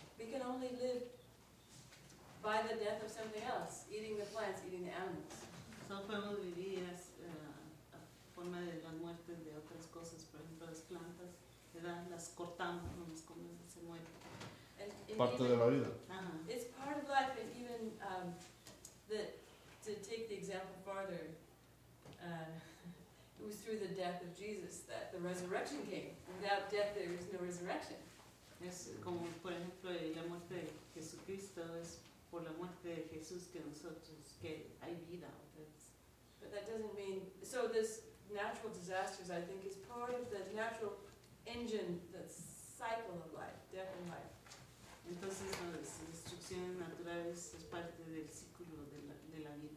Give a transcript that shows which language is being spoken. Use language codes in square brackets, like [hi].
[en] We can only live by the death of something else, eating the plants, eating the animals. [es] So podemos vivir es a forma de la muerte de otras cosas, por ejemplo, las plantas. Las cortamos, se mueven. Parte de la vida. [en] It's part of life, and even to take the example farther, it was through the death of Jesus that the resurrection came. Without death, there is no resurrection. [es] Es como, por ejemplo, la muerte de Jesucristo, es por la muerte de Jesús que nosotros, que hay vida. [en] But that doesn't mean, so this natural disasters, I think, is part of the natural engine, the cycle of life, death and life. [es] Entonces, las destrucciones naturales es parte del ciclo de la vida.